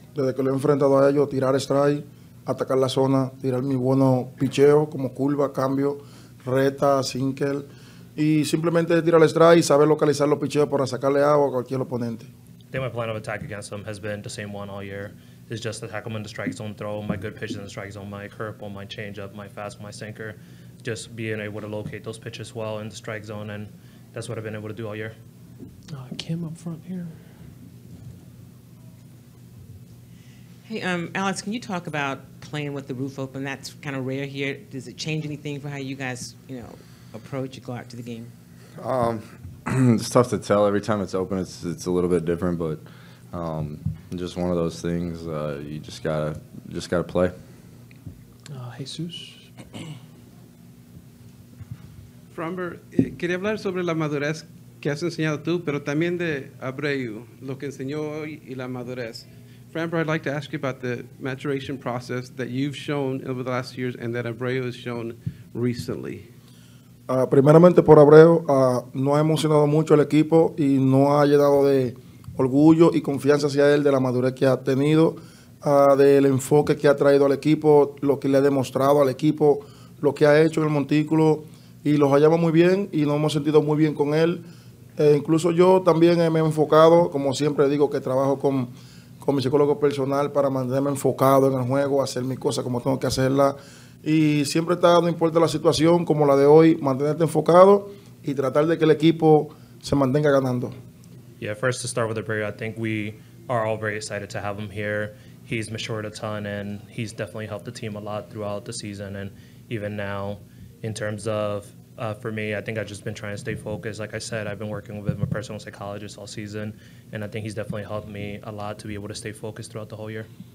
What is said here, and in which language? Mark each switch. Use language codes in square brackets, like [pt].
[es] Desde que lo he enfrentado a ellos, tirar strike, atacar la zona, tirar mi bueno picheo como curva, cambio, reta, sinker, y simplemente tirar strike y saber localizar los picheos para sacarle agua a cualquier oponente. [en] I think my plan of attack against them has been the same one all year. It's just attack them in the strike zone, throw my good pitches in the strike zone, my curveball, my changeup, my fastball, my sinker. Just being able to locate those pitches well in the strike zone, and that's what I've been able to do all year. Kim up front here. Hey, Alex, can you talk about playing with the roof open? That's kind of rare here. Does it change anything for how you guys, you know, approach or go out to the game? It's tough to tell. Every time it's open, it's a little bit different, but just one of those things. You just gotta play. Jesus. [es] Framber, quería hablar sobre la madurez que has enseñado tú, pero también de Abreu, lo que enseñó hoy y la madurez. [en] Framber, I'd like to ask you about the maturation process that you've shown over the last years and that Abreu has shown recently. [es] Primeramente por Abreu, no ha emocionado mucho el equipo y no ha llenado de orgullo y confianza hacia él de la madurez que ha tenido, del enfoque que ha traído al equipo, lo que le ha demostrado al equipo, lo que ha hecho en el montículo. Y los hallamos muy bien y nos hemos sentido muy bien con él. Incluso yo también me he enfocado, como siempre digo, que trabajo con mi psicólogo personal para mantenerme enfocado en el juego, hacer mis cosas como tengo que hacerla. Y siempre está, no importa la situación como la de hoy, mantenerte enfocado y tratar de que el equipo se mantenga ganando. [en] Yeah, first to start with the prayer, I think we are all very excited to have him here. He's matured a ton and he's definitely helped the team a lot throughout the season and even now. In terms of, for me, I think I've just been trying to stay focused. Like I said, I've been working with my personal psychologist all season, and I think he's definitely helped me a lot to be able to stay focused throughout the whole year.